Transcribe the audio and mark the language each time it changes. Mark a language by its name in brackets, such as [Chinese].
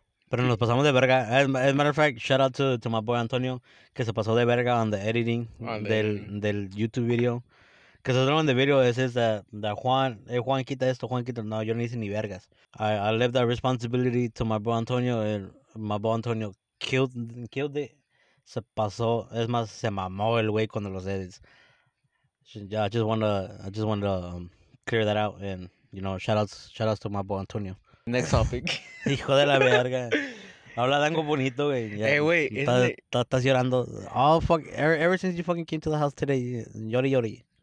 [Spanish] Pero nos pasamos de verga. [English] As a matter of fact, shout out to my boy Antonio, [Spanish] que se pasó de verga [English] on the editing [Spanish] del [English] YouTube video. [Spanish] Que se trató en el video, es that Juan, hey, Juan, quita esto, Juan, quita. No, yo no hice ni vergas. [English] I left that responsibility to my boy Antonio, and my boy Antonio killed it. [Spanish] Se pasó, es más, se mamó el güey cuando los edits. [English] I just wanted to clear that out, and you know, shout outs to my boy Antonio. Next topic. [Spanish] Hijo de la verga. Habla de algo bonito, güey. Hey, güey. Estás llorando. [English] Oh, fuck. Ever since you fucking came to the house today, [Spanish] llore,